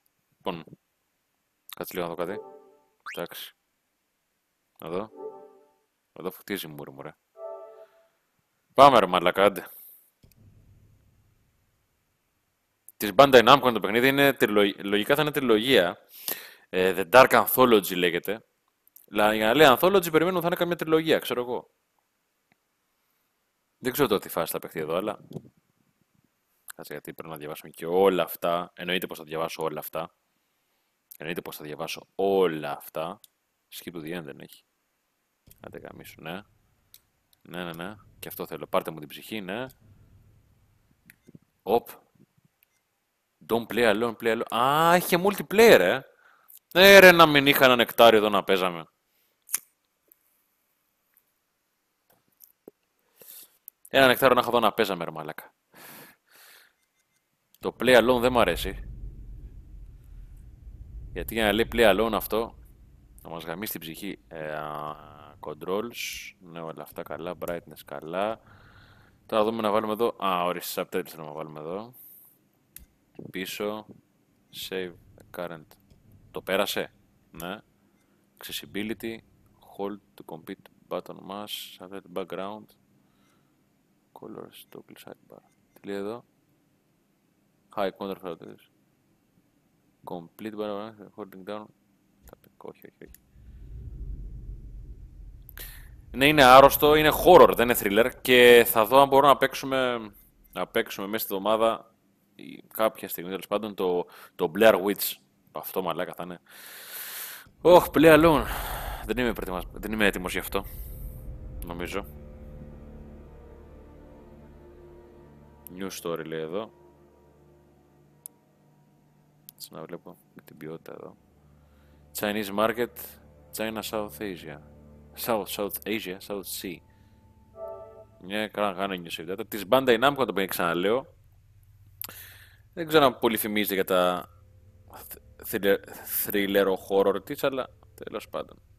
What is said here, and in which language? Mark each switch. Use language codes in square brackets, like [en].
[el] Λοιπόν. Κάτσε λίγο να δω κάτι. Εντάξει. Εδώ. Εδώ φωτίζει η μούρη μου, ρε. Πάμε, ρε μαλακά, άντε. Της Bandai Namco το παιχνίδι είναι λογικά θα είναι τριλογία. The Dark Anthology λέγεται. Για να λέει Anthology, περιμένω θα είναι καμία τριλογία, ξέρω εγώ. Δεν ξέρω τι φάση θα παιχτεί εδώ, αλλά... Κάτσε, γιατί πρέπει να διαβάσουμε και όλα αυτά. Εννοείται πως θα διαβάσω όλα αυτά. Εννοείται πως θα διαβάσω όλα αυτά. [en] Skip to the end, [el] δεν έχει. Άντε γαμίσου, ναι. Ναι. Και αυτό θέλω. Πάρτε μου την ψυχή, ναι. Οπ. [en] Don't play alone, play alone. [el] Α, είχε multiplayer, ε. Ρε, να μην είχα ένα νεκτάρι εδώ να παίζαμε. Ένα νεκτάρι να είχα εδώ να παίζαμε, ρε μαλάκα. Το play alone δεν μου αρέσει. Γιατί για να λέει play alone αυτό, να μας γαμίσει την ψυχή. Controls, ναι, όλα αυτά καλά, brightness καλά. Τώρα δούμε να βάλουμε εδώ, ορίστε, subtitles να βάλουμε εδώ. Πίσω, [en] save the current. [el] Το πέρασε, ναι. [en] Accessibility, hold to complete button mass, subtitle background. Colors, toggle sidebar. [el] Τι λέει εδώ. [en] High contrast subtitles. Complete button mass, holding down. [el] Όχι, όχι, όχι. Ναι, είναι άρρωστο, είναι horror, δεν είναι thriller και θα δω αν μπορώ να παίξουμε, μέσα στην εβδομάδα κάποια στιγμή, τέλος πάντων, το Blair Witch. Αυτό μαλάκα θα είναι. [en] Οχ, Play Alone. [el] Δεν είμαι έτοιμος γι' αυτό, νομίζω. News story λέει εδώ. Έτσι να βλέπω με την ποιότητα εδώ. [en] Chinese market, China, South Asia. South Asia, South Sea. [el] Ναι, καλά να κάνω news data. Της Bandai Namco, το πήγαινε ξαναλέω. Δεν ξέρω αν πολύ θυμίζεται για τα thriller horror της, αλλά τέλος πάντων.